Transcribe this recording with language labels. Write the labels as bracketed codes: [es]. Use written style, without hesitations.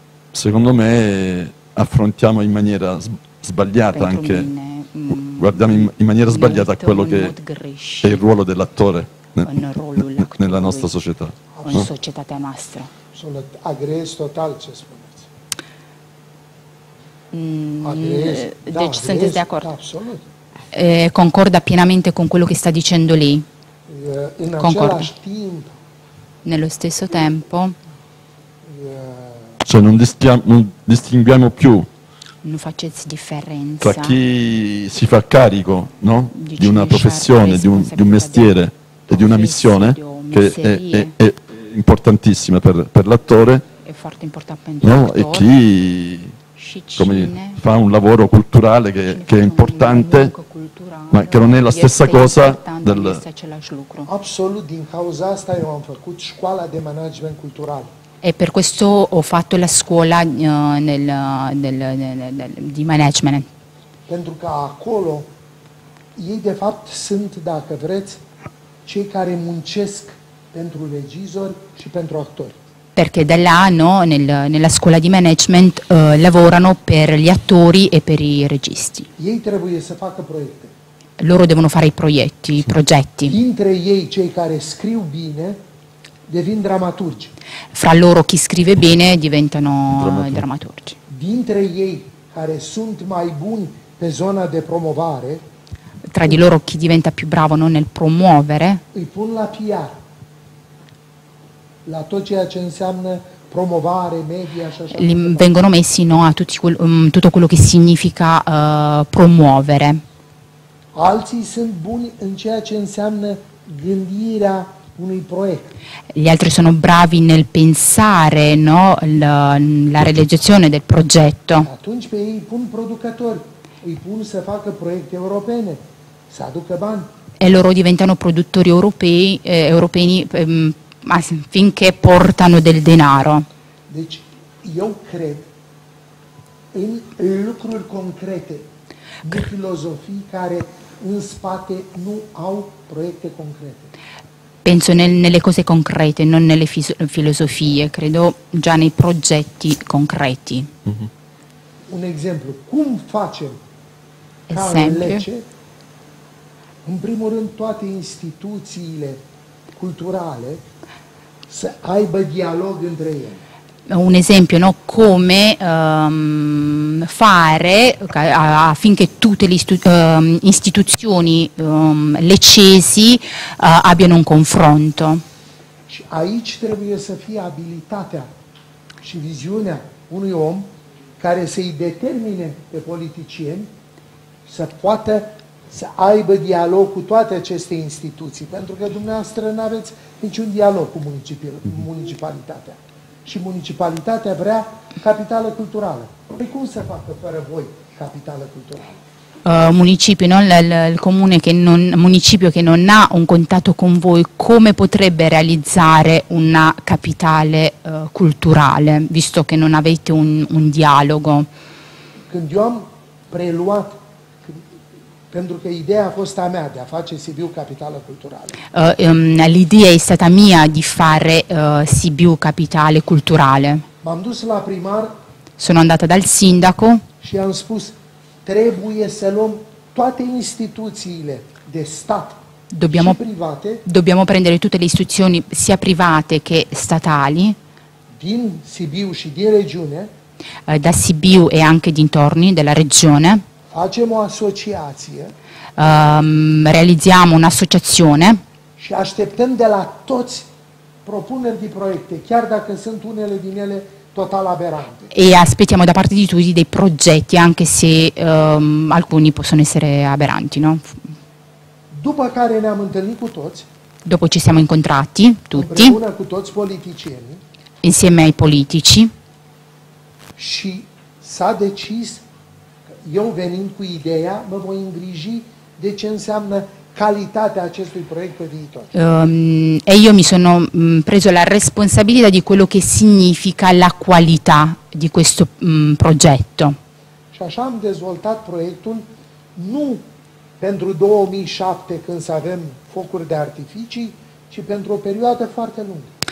[it] Secondo me affrontiamo in maniera sbagliata anche, guardiamo in maniera sbagliata a quello che è il ruolo dell'attore nella nostra società. Ogni società è nostra. Sono agresso tal, ce spuneți. [ro] Deci sunteți de acord? Absolut. [it] Concorda pienamente con quello che sta dicendo lei. [ro] In același timp, [it] nello stesso tempo, cioè non distinguiamo più, non facciamo differenza tra chi si fa carico, no? di una professione, di un mestiere e di una missione che è importantissima per l'attore, è forte importante, no? E chi come fa un lavoro culturale che è importante, ma che non è la stessa cosa del [ro] Absolut din cauza asta eu am făcut școala de management cultural. [it] E per questo ho fatto la scuola di management. [ro] Pentru că acolo ei de fapt sunt, dacă vreți, cei care muncesc pentru regizori și pentru actori. [it] Perché da là, no, nella scuola di management lavorano per gli attori e per i registi. [ro] Ei trebuie să facă proiecte. [it] Loro devono fare i proiecti, sì. I progetti. [ro] Dintre ei, cei care scriu bine, devin dramaturgi. [it] Fra loro chi scrive bene diventano dramaturgi. [ro] Dintre ei, care sunt mai buni pe zona de promovare, [it] tra di loro chi diventa più bravo, no, nel promuovere, [ro] îi pun la PR. La tot ceea ce înseamnă promovare, media, [it] li vengono messi, no, a tutto quello che significa promuovere. [ro] Alții sunt buni în ceea ce înseamnă gândirea unui proiect. [it] Gli altri sono bravi nel pensare, no, la realizzazione del progetto. [ro] Atunci pe ei îi pun producători, îi pun să facă proiecte europene, să aducă bani. [it] E loro diventano produttori europei, europeni, ma finché portano del denaro. [ro] Deci, eu cred în lucruri concrete, în filozofii care în spate nu au proiecte concrete. [it] Penso nelle cose concrete, non nelle filosofie, credo già nei progetti concreti. Mm-hmm. [ro] Un esempio, cum facem ca în lege, în primul rând, toate instituțiile culturale să aibă dialog între ele. [it] Un esempio, no? Come fare affinché tutte le istituzioni le cesi abbiano un confronto. [ro] Și aici trebuie să fie abilitatea și viziunea unui om care să-i determine pe politicieni să poată să aibă dialog cu toate aceste instituții, pentru că dumneavoastră nu aveți niciun dialog cu municipalitatea. Și municipalitatea vrea capitală culturală. Păi cum se facă fără voi capitală culturală? Municipiul, no? [it] Il comune che non, municipio che non ha un contatto con voi, come potrebbe realizzare una capitale culturale, visto che non avete un dialogo? [ro] Când eu am preluat, pentru că ideea a fost a mea de a face Sibiu capitală culturală. [it] L'idea è stata mia di fare Sibiu capitale culturale. [ro] M-am dus la primar. [it] Sono andata dal sindaco. [ro] Și am spus, trebuie să luăm toate instituțiile de stat [it] dobbiamo, [ro] și private. [it] Dobbiamo prendere tutte le istituzioni, sia private che statali. [ro] Din Sibiu și din regiune. [it] Da Sibiu e anche dintorni della regione. [ro] Facem o asociație. [it] Realizziamo un'associazione. [ro] Și așteptăm de la toți propuneri de proiecte, chiar dacă sunt unele din ele total aberante. [it] E aspettiamo da parte di tutti dei progetti, anche se alcuni possono essere aberanti, no? [ro] După care ne-am întâlnit cu toți. [it] Dopo ci siamo incontrati tutti. [ro] Împreună cu toți politicieni. [it] Insieme ai politici. [ro] Și s-a decis. Eu venind cu ideea, mă voi îngriji de ce înseamnă calitatea acestui proiect pe viitor. [it] E io mi sono preso la responsabilità di quello che significa la qualità di questo progetto. [ro] Și așa am dezvoltat proiectul nu pentru 2007 când să avem focuri de artificii, ci pentru o perioadă foarte lungă.